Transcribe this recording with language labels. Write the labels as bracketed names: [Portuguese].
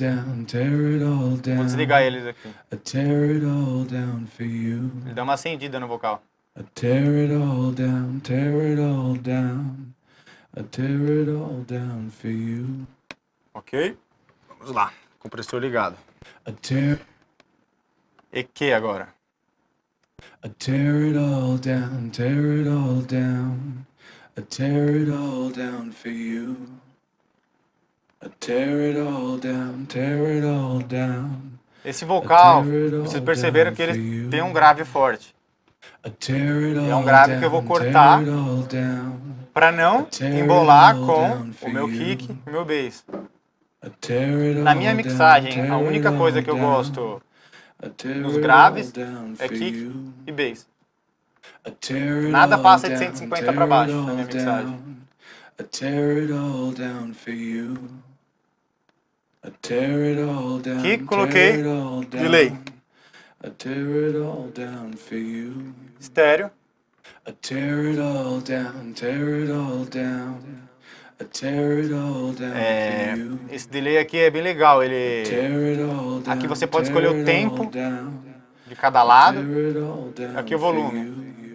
[Portuguese] Vou desligar eles aqui. Ele dá uma acendida no vocal. [English] I tear it all down, tear it all down. I tear it all down for you. [Portuguese] Ok? Vamos lá. Compressor ligado. [English] I tear... [Portuguese] EQ agora. [English] I tear it all down, tear it all down. I tear it all down for you. I tear it all down, tear it all down. [Portuguese] Esse vocal, vocês perceberam que ele tem um grave forte. É um grave que eu vou cortar para não embolar com o meu kick, o meu bass. Na minha mixagem, a única coisa que eu gosto nos graves é kick e bass. Nada passa de 150 para baixo na minha mixagem. [English] I tear it all down for you. I tear it all down, [Portuguese] que coloquei [English] tear it all down, [Portuguese] delay. [English] I tear it all down for you. [Portuguese] Estéreo. [English] I tear it all down, tear it all down. I tear it all down for you. [Portuguese] Esse delay aqui é bem legal. Ele down, aqui você pode escolher o tempo down, de cada lado. Aqui o volume.